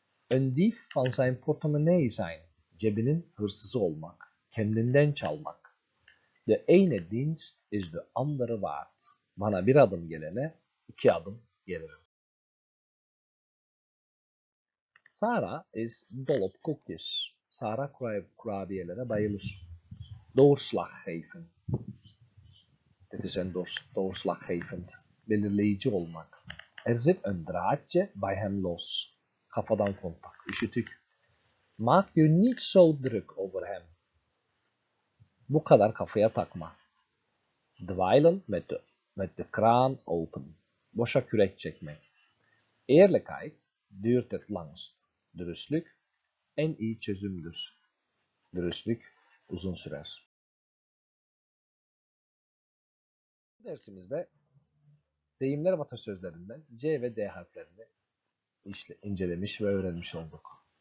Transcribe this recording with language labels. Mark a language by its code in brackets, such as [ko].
[nl] Een dief van zijn portemonnee zijn, [tr] cebinin hırsızı olmak, kendinden çalmak. [nl] De ene dienst is de andere waard. [tr] Bana bir adım gelene iki adım gelirim. [nl] Sara is dol op koekjes. [tr] Sara kurabiyelere bayılır. [nl] Doorslag geven. Dit is een doorslag gevend. [tr] Belirleyici olmak. [nl] Er zit een draadje bij hem los. [tr] Kafadan kontak. Üşütük. [nl] Maak je niet zo druk over hem. [tr] Bu kadar kafaya takma. [nl] Dweilen met de kraan open. [tr] Boşa kürek çekmek. [nl] Eerlijkheid duurt het langst. [tr] Dürüstlük en iyi çözümdür. Dürüstlük uzun sürer. Bu dersimizde deyimler ve atasözlerinden C ve D harflerini incelemiş ve öğrenmiş olduk.